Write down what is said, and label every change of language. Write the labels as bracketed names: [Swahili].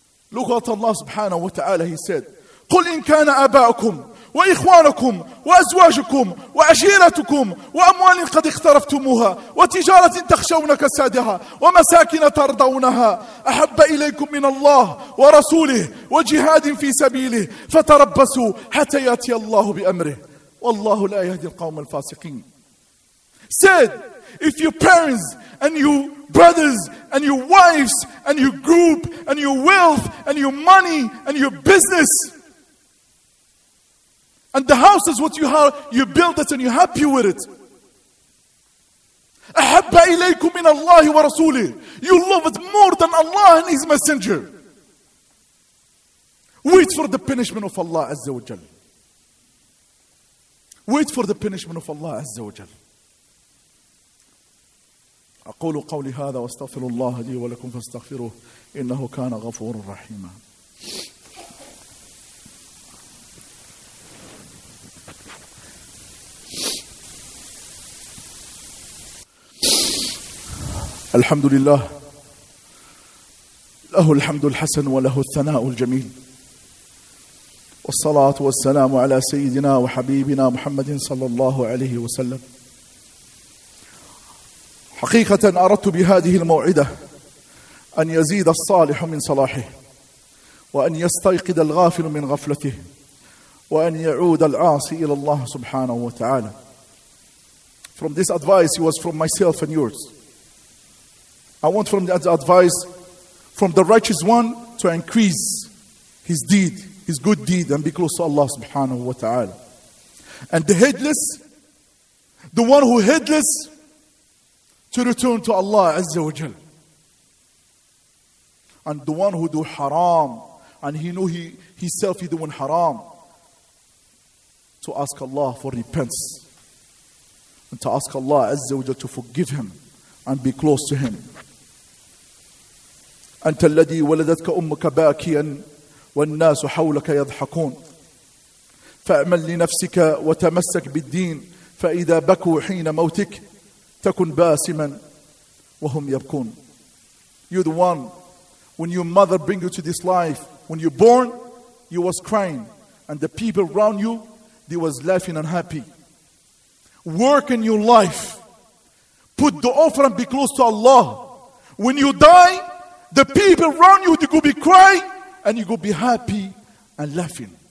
[English] Look at Allah subhanahu wa ta'ala, He said, [Arabic] قُلْ إِنْ كَانَ أَبَاءُكُمْ وإخوانكم وأزواجكم وعشيرتكم وأموال قد اقترفتموها وتجارة تخشون كسادها ومساكن ترضونها أحب إليكم من الله ورسوله وجهاد في سبيله فتربصوا حتى يأتي الله بأمره والله لا يهدي القوم الفاسقين. [English] Said, if your parents and your brothers and your wives and your group and your wealth and your money and your business and the house is what you have, you build it and you're happy with it. [Arabic] أَحَبَّ إِلَيْكُمْ مِنَ اللَّهِ وَرَسُولِهِ. [English] You love it more than Allah and His Messenger. Wait for the punishment of Allah Azza wa Jal. Wait for the punishment of Allah Azza wa Jal. [Arabic] أقول قولي هذا واستغفر الله لي ولكم فاستغفروه إنه كان غفورا رحيما. الحمد لله له الحمد الحسن وله الثناء الجميل والصلاة والسلام على سيدنا وحبيبنا محمد صلى الله عليه وسلم. حقيقة أردت بهذه الموعدة أن يزيد الصالح من صلاحه وأن يستيقظ الغافل من غفلته وأن يعود العاصي إلى الله سبحانه وتعالى. [English] From this advice, it was from myself and yours. I want from the advice from the righteous one to increase his deed, his good deed, and be close to Allah subhanahu wa ta'ala. And the headless, the one who headless, to return to Allah azza wa jal. And the one who do haram, and he know he doing haram, to ask Allah for repentance, and to ask Allah azza wa jal to forgive him and be close to him. [Arabic] أنت الذي ولدتك أمك باكيا والناس حولك يضحكون فأعمل لنفسك وتمسك بالدين فإذا بكوا حين موتك تكن باسما وهم يبكون. [English] You're the one, when your mother bring you to this life, when you're born, you was crying and the people around you, they was laughing and happy. Work in your life, put the offer and be close to Allah. When you die, the people around you, they go be crying and you go be happy and laughing.